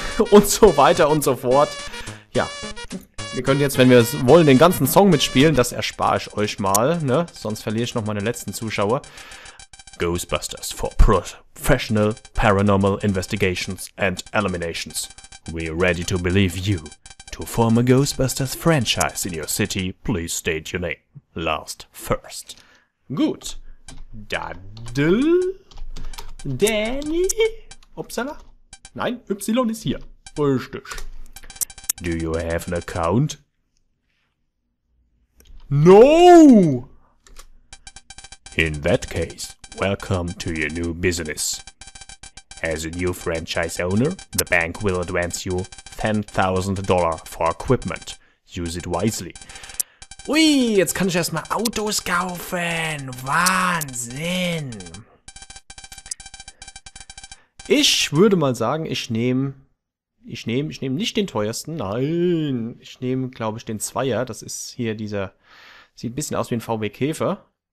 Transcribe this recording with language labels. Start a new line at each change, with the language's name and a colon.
German: Und so weiter und so fort. Ja, wir können jetzt, wenn wir es wollen, den ganzen Song mitspielen. Das erspare ich euch mal, ne? Sonst verliere ich noch meine letzten Zuschauer.
English: Ghostbusters for professional paranormal investigations and eliminations. We're ready to believe you. To form a Ghostbusters franchise in your city, please state your name. Last, first.
German: Gut. Daddl. Danny. Upsala. Nein, Y ist hier. Richtig.
English: Do you have an account? No! In that case, welcome to your new business. As a new franchise owner, the bank will advance you $10,000 for equipment. Use it wisely.
German: Ui, jetzt kann ich erstmal Autos kaufen. Wahnsinn. Ich würde mal sagen, ich nehme nicht den teuersten. Nein, ich nehme, glaube ich, den Zweier. Das ist hier dieser, sieht ein bisschen aus wie ein VW Käfer.